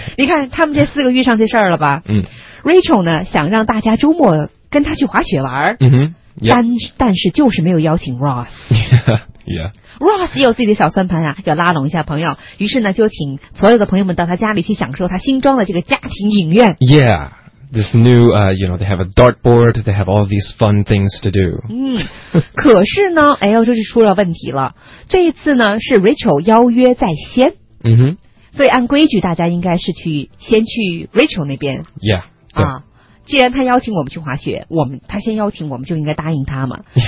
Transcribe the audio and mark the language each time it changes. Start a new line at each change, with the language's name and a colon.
Chinese: 你看他们这四个遇上这事儿了吧？嗯。 Rachel 呢，想让大家周末跟他去滑雪玩。嗯哼。
English: Yeah.
Chinese: 但是就是没有邀请 Ross。
English: Yeah.
Chinese: Ross 也有自己的小算盘啊，要拉拢一下朋友，于是呢就请所有的朋友们到他家里去享受他新装的这个家庭影院。
English: Yeah, this new, you know, they have a dartboard, they have all these fun things to do.
Chinese: 嗯，可是呢，哎呦，这就出了问题了。这一次呢是 Rachel 邀约在先。嗯哼。所以按规矩大家应该是去先去 Rachel 那边。
English: Yeah, 啊。
Chinese: 既然他邀请我们去滑雪，他先邀请我们就应该答应他嘛。